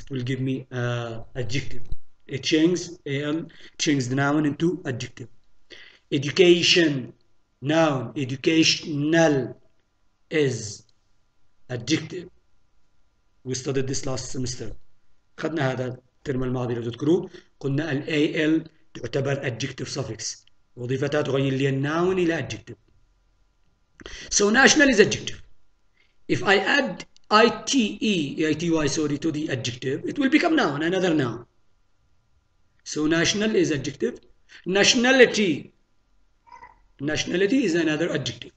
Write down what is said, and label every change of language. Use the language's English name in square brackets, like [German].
[English] It will give me adjective. It changes AL, changes the noun into adjective. Education, noun, educational is adjective. We studied this last semester. [Arabic] خدنا هذا الترم الماضي لو تذكروا. قلنا الـ AL تعتبر adjective suffix. وظيفتها تغير لي النون إلى adjective. [English] So national is adjective. If I add ITE, ITY, sorry, to the adjective, it will become noun, another noun. So national is adjective. Nationality. Nationality is another adjective.